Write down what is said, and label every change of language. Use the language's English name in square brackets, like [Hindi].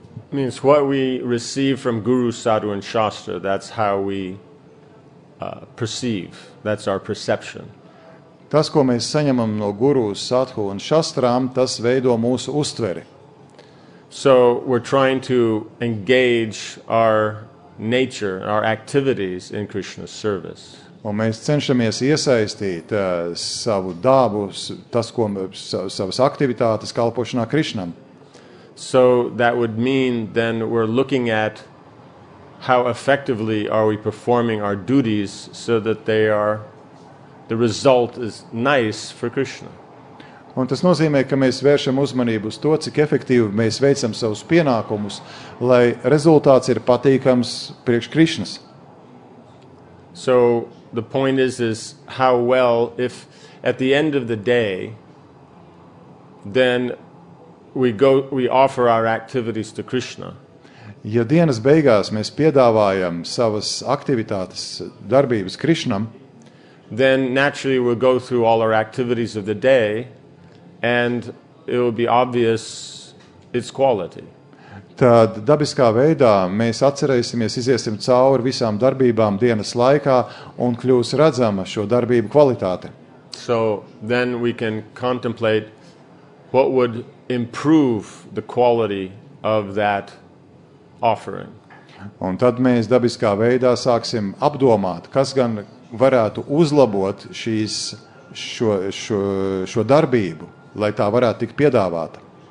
[English] Means what we receive from Guru, Sadhu, and Shastra, that's how we perceive, that's our perception. [Latvian] Tas, ko mēs saņemam no Guru, Sadhu un Shastrām, tas veido mūsu uztveri. [English] So we're trying to engage our nature, our activities in Krishna's service. [Latvian] Un mēs cenšamies iesaistīt savu dābu, tas, ko savas aktivitātes kalpošanā Krishnam. [English] So that would mean then we're looking at how effectively are we performing our duties so that they are the result is nice for Krishna. [Latvian] Un tas nozīmē, ka mēs vēršam uzmanību uz to, cik efektīvi mēs veicam savus pienākumus, lai rezultāts ir patīkams priekš Krishnas. [English] So the point is how well if at the end of the day then we offer our activities to Krishna. [Latvian] Ja dienas beigās mēs piedāvājam savas aktivitātes darbības Krishnam, [English] then naturally we'll go through all our activities of the day and it will be obvious its quality. [Latvian] Tad dabiskā veidā mēs atcerēsimies, iziesim cauri visām darbībām dienas laikā un kļūs redzama šo darbību kvalitāte. [English] So then we can contemplate what would improve the quality of that offering. [Latvian] Un tad mēs dabiskā veidā sāksim apdomāt, kas gan varētu uzlabot šīs šo darbību, lai tā varētu tikt piedāvāta.